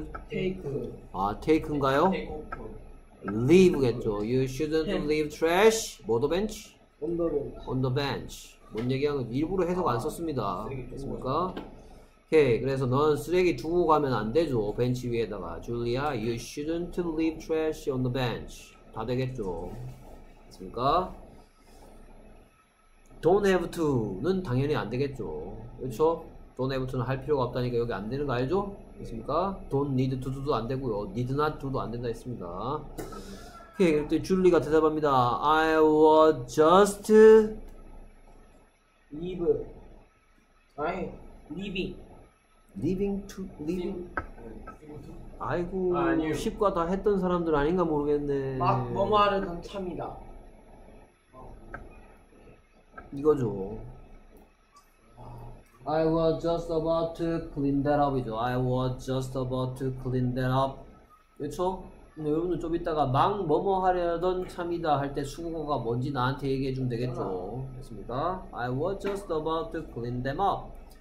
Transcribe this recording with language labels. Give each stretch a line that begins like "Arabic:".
English: take.
Korean: 아, take인가요?
English: leave겠죠. You shouldn't leave trash. 뭐더 bench? On the bench. On the bench.
Korean: 뭔 얘기한 건지 일부러 해석 안 썼습니다. 됐습니까? 오케이. 그래서 넌 쓰레기 두고 가면 안 되죠. 벤치 위에다가.
English: Julia, you shouldn't leave trash on the bench.
Korean: 다 되겠죠. 됐습니까? Don't have to는 당연히 안 되겠죠. 그렇죠? Don't have to는 할 필요가 없다니까 여기 안 되는 거 알죠? 됐습니까? Don't need to도 안 되고요. Need not to도 안 된다 했습니다. 오케이. 그때 줄리가 대답합니다.
English: I was just leave. I leaving.
Korean: Leaving. 아이고, 아니요. 쉽과 다 했던 사람들 아닌가 모르겠네. 막 뭐뭐하는 참이다. 이거죠.
English: I was just about to clean that up이죠. I was just about to clean that up.
Korean: 그렇죠? 여러분들 좀 이따가 막 뭐뭐하려던 참이다 할 때 수고가 뭔지 나한테 얘기해 주면 되겠죠. 됐습니까?
English: I was just about to clean them up.